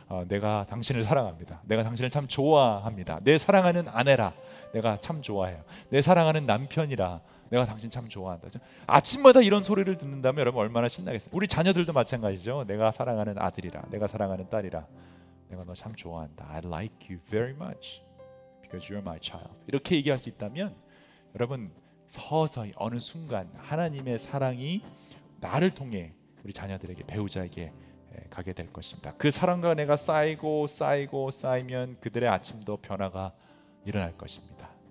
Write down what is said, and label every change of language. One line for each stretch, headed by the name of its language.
Korean: 내가 당신을 사랑합니다. 내가 당신을 참 좋아합니다. 내 사랑하는 아내라 내가 참 좋아해요. 내 사랑하는 남편이라 내가 당신 참 좋아한다. 아침마다 이런 소리를 듣는다면 여러분 얼마나 신나겠어요. 우리 자녀들도 마찬가지죠. 내가 사랑하는 아들이라, 내가 사랑하는 딸이라, 내가 너 참 좋아한다.
English: I like you very much because you're my child.
Korean: 이렇게 얘기할 수 있다면 여러분 서서히 어느 순간 하나님의 사랑이 나를 통해 우리 자녀들에게, 배우자에게 가게 될 것입니다. 그 사랑과 은혜가 쌓이고 쌓이고 쌓이면 그들의 아침도 변화가 일어날 것입니다.